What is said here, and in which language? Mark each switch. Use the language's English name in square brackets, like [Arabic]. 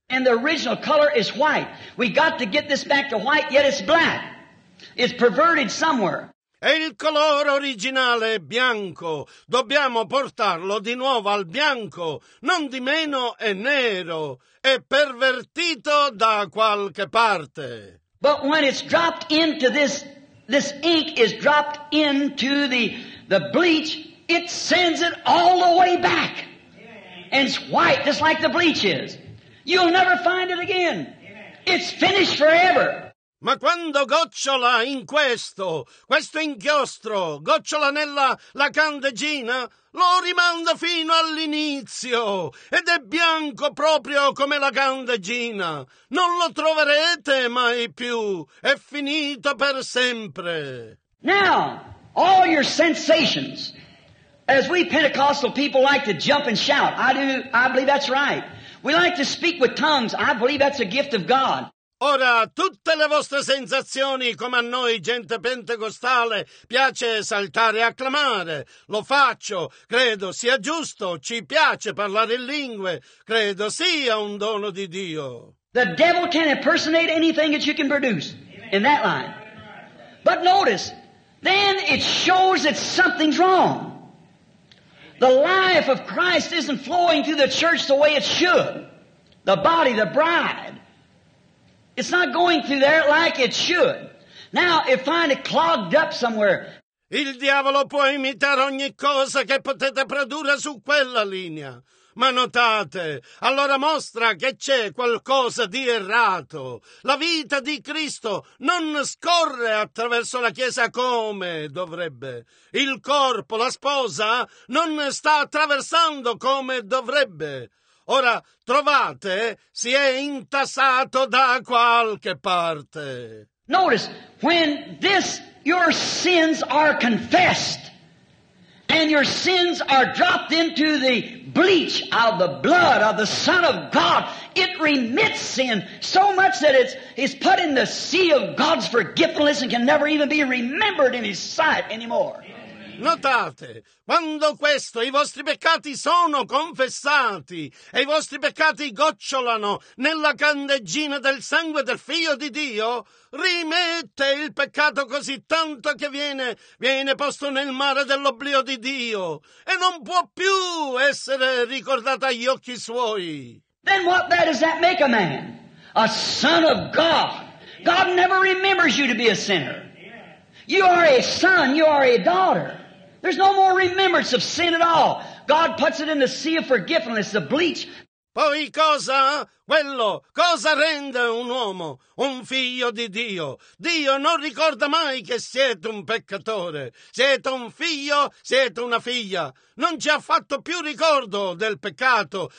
[English] And the original color is white. We got to get this back to white, yet it's black. It's perverted somewhere. [Italian] è il colore originale bianco. Dobbiamo portarlo di nuovo al bianco, non di meno è nero, è pervertito da qualche parte. [English] But when it's dropped into this ink is dropped into the bleach, it sends it all the way back. And it's white, just like the bleach is. You'll never find it again. It's finished forever. [Italian] Ma quando gocciola in questo inchiostro, gocciola nella la candeggina, lo rimanda fino all'inizio ed è bianco proprio come la candeggina. Non lo troverete mai più. È finito per sempre. [English] Now, all your sensations, as we Pentecostal people like to jump and shout. I do. I believe that's right. We like to speak with tongues. I believe that's a gift of God. [Italian] Ora, tutte le vostre sensazioni, come a noi gente pentecostale piace saltare e acclamare, lo faccio, credo sia giusto, ci piace parlare in lingue, credo sia un dono di Dio. [English] The devil can impersonate anything that you can produce in that line. But notice, then it shows that something's wrong. The life of Christ isn't flowing through the church the way it should. The body, the bride. It's not going through there like it should. Now, it find it clogged up somewhere. [Italian] Il diavolo può imitare ogni cosa che potete produrre su quella linea. Ma notate, allora mostra che c'è qualcosa di errato. La vita di Cristo non scorre attraverso la Chiesa come dovrebbe. Il corpo, la sposa, non sta attraversando come dovrebbe. Ora, trovate, si è intasato da qualche parte. [English] Notice, when this, your sins are confessed, and your sins are dropped into the bleach of the blood of the Son of God, it remits sin so much that it's put in the seal of God's forgiveness and can never even be remembered in His sight anymore. [Italian] Notate, quando questo, i vostri peccati sono confessati e i vostri peccati gocciolano nella candeggina del sangue del Figlio di Dio, rimette il peccato così tanto che viene posto nel mare dell'oblio di Dio e non può più essere ricordato agli occhi suoi. [English] Then what bad does that make a man? A son of God. God never remembers you to be a sinner. You are a son, you are a daughter. There's no more remembrance of sin at all. God puts it in the sea of forgiveness, the bleach. [Italian] Poi cosa? Quello, cosa rende un uomo? Un figlio di Dio. Dio non ricorda mai che siete un peccatore. Siete un figlio, siete una figlia. Non ci ha fatto più ricordo del peccato.